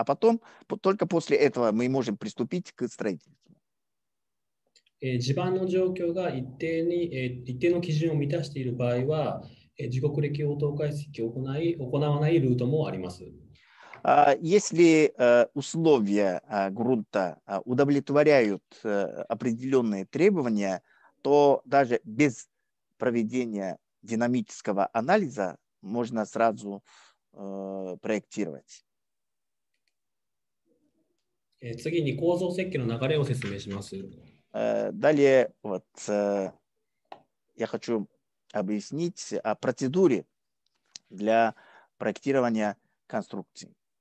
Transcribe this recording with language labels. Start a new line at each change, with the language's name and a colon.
Russian: А потом, только после этого мы можем приступить к строительству.
Japanese: 地盤の状況が一定の基準を満たしている場合は、時刻歴応答解析を行わないルートもあります。
Russian: Если условия грунта удовлетворяют определенные требования, то даже без проведения динамического анализа можно сразу проектировать.
Japanese: 次に構造設計の流れを説明します。
Russian: Далее вот, я хочу объяснить о процедуре для проектирования конструкций.